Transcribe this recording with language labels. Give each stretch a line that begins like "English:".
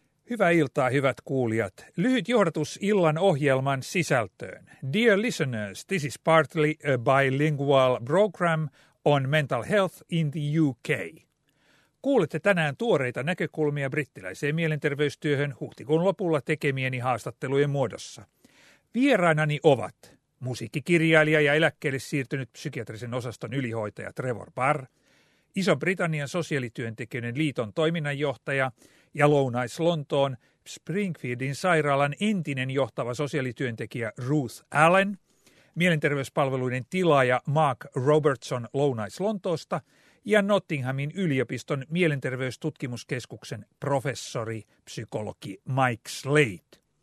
Finnish: Hyvää iltaa, hyvät kuulijat. Lyhyt johdatus illan ohjelman sisältöön.
English: Dear listeners, this is partly a bilingual program on mental health in the UK.
Finnish: Kuulette tänään tuoreita näkökulmia brittiläiseen mielenterveystyöhön huhtikuun lopulla tekemieni haastattelujen muodossa. Vierainani ovat musiikkikirjailija ja eläkkeelle siirtynyt psykiatrisen osaston ylihoitaja Trevor Barr, Iso-Britannian sosiaalityöntekijöiden liiton toiminnanjohtaja ja Lounais-Lontoon Springfieldin sairaalan entinen johtava sosiaalityöntekijä Ruth Allen, mielenterveyspalveluiden tilaaja Mark Robertson Lounais-Lontoosta ja Nottinghamin yliopiston mielenterveystutkimuskeskuksen professori, psykologi Mike Slate.